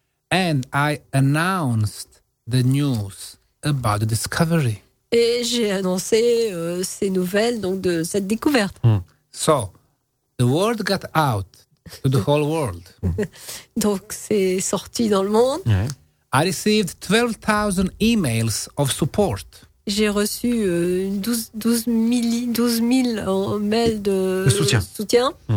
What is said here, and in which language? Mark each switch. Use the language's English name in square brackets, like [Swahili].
[English] And I announced the news about the discovery. [French] Et j'ai annoncé ces nouvelles, donc de cette découverte. [English] So, the word got out to the whole world. [French] Donc, c'est sorti dans le monde. Ouais. [English] I received 12,000 emails of support. [French] J'ai reçu 12,000 mails de soutien.